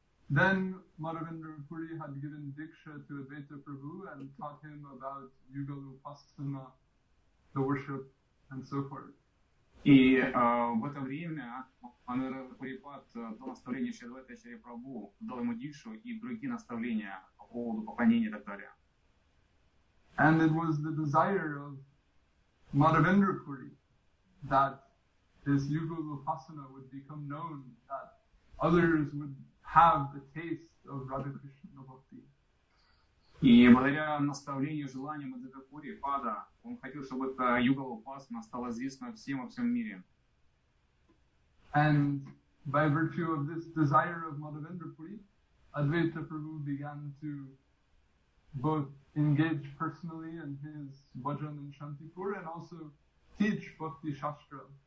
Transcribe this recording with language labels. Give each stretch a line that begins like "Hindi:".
English: Then Madhavendra Puri had given diksha to Advaita Prabhu and taught him about Yuga Upasthana, the worship, and so forth.
Russian: И в это время Мадхавендра Пури дал наставление Шри Адвайта Ачарья Прабху, дал ему дикшу и другие наставления по поводу поклонения и так далее.
English: And it was the desire of Madhavendra Puri that this Yuga Upasthana would become known, that others would have the taste of Radha Krishna Bhakti.
Russian: И благодаря наставлению, желанию Мадхавендра Пури Пада, он хотел, чтобы эта Юга Упасана стала известна всем во всем мире.
English: And by virtue of this desire of Madhavendra Puri, Advaita Prabhu began to both engage personally in his bhajan in Shantipur and also teach Bhakti Shastra.